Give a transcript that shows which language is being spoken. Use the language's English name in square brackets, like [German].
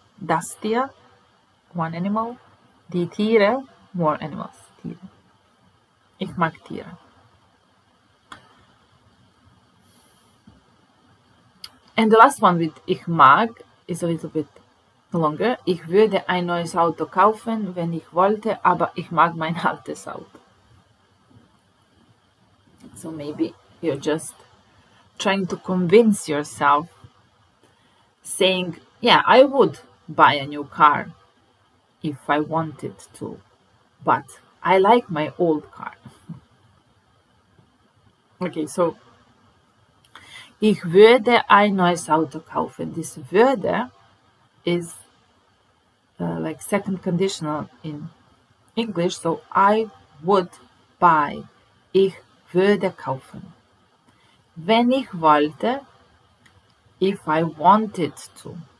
[German] Das Tier, [English] one animal. [German] Die Tiere, [English] more animals. [German] Tiere. Ich mag Tiere. [English] And the last one with ich mag is a little bit longer. [German] Ich würde ein neues Auto kaufen, wenn ich wollte, aber ich mag mein altes Auto. [English] So maybe you're just trying to convince yourself, saying, yeah, I would buy a new car if I wanted to, but I like my old car. Okay, so [German] ich würde ein neues Auto kaufen. [English] This würde is like second conditional in English. So I would buy. [German] Ich würde kaufen. Wenn ich wollte, [English] if I wanted to.